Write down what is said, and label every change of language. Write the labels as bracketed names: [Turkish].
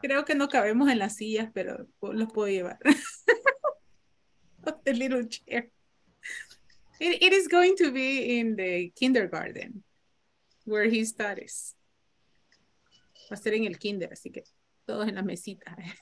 [Spanish] Creo que no cabemos en las sillas, pero los puedo llevar. [English] The little chair. It is going to be in the kindergarten where he studies. [Spanish] Va a ser en el kinder, así que todos en la mesita.